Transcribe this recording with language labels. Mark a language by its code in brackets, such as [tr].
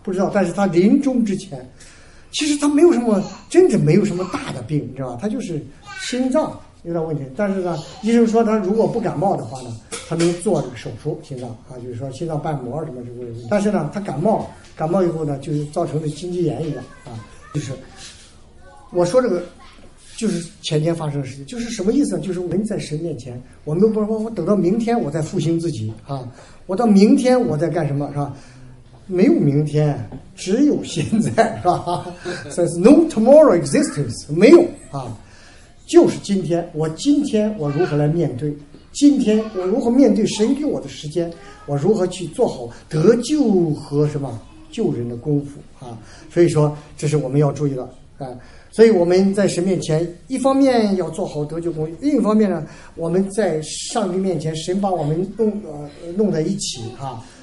[zh] 不知道，但是她临终之前。其实他没有什么，真的没有什么大的病，你知道吧？他就是心脏有点问题，但是呢，医生说他如果不感冒的话呢，他能做这个手术，心脏啊，就是说心脏瓣膜什么之类的。但是呢，他感冒，感冒以后呢，就是造成的心肌炎一样啊，就是我说这个，就是前天发生的事情，就是什么意思呢？就是我们在神面前，我们不是说我等到明天我再复兴自己啊，我到明天我再干什么，是吧？没有明天，只有现在，是吧？ [en] There's no tomorrow existence， [zh] 没有啊，就是今天。我今天我如何来面对？今天我如何面对神给我的时间？我如何去做好得救和什么救人的功夫啊？所以说，这是我们要注意的啊。所以我们在神面前，一方面要做好得救功夫，另一方面呢，我们在上帝面前，神把我们弄在一起啊。